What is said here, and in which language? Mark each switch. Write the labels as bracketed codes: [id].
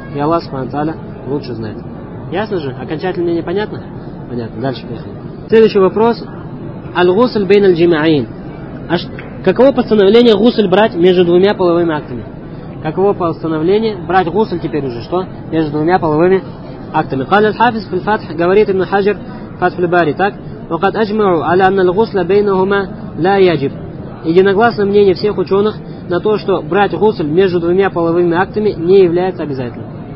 [ru] И Аллах субхана ва тааля лучше знает. Ясно же? Окончательное мнение понятно? Понятно. Дальше поехали. Следующий вопрос. Аль-гусль бейн аль-джима'ин. Каково постановление гусль брать между двумя половыми актами? Каково постановление брать гусль теперь уже? Что? Между двумя половыми актами. Каля аль-хафиз фаль-фатх, говорит ибн Хаджар, фатх-фаль-бари, так? [ar] وقد اجمعوا على ان الغسل بينهما لا يجب. [ru] Единогласное мнение всех ученых на то, что брать гусль между двумя половыми актами не является обязательным.